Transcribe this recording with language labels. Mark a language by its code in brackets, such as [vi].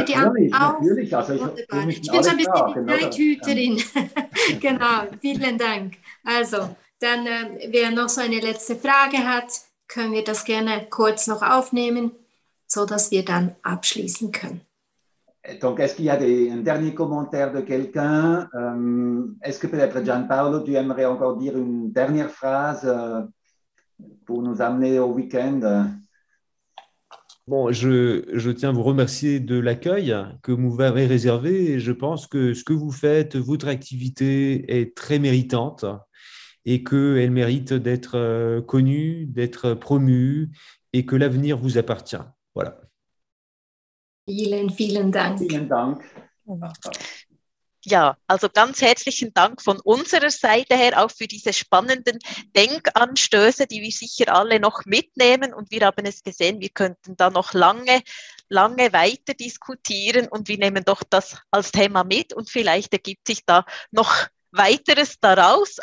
[de] natürlich, die auch? Natürlich. Also ich bin so ein bisschen die Zeithüterin. Genau, vielen Dank. Also, dann, wer noch so eine letzte Frage hat, können wir das gerne kurz noch aufnehmen. Sodass wir dann abschließen können. [fr] Donc, est-ce qu'il y a un dernier commentaire de quelqu'un? Est-ce que peut-être Gianpaolo, tu aimerais encore dire une dernière phrase pour nous amener au week-end? Bon, je tiens à vous remercier de l'accueil que vous m'avez réservé. Et je pense que ce que vous faites, votre activité est très méritante et qu'elle mérite d'être connue, d'être promue et que l'avenir vous appartient. Voilà. [de] Vielen, vielen Dank. Vielen Dank. Oh. Wunderbar. Ja, also ganz herzlichen Dank von unserer Seite her auch für diese spannenden Denkanstöße, die wir sicher alle noch mitnehmen. Und wir haben es gesehen, wir könnten da noch lange, lange weiter diskutieren. Und wir nehmen doch das als Thema mit. Und vielleicht ergibt sich da noch weiteres daraus.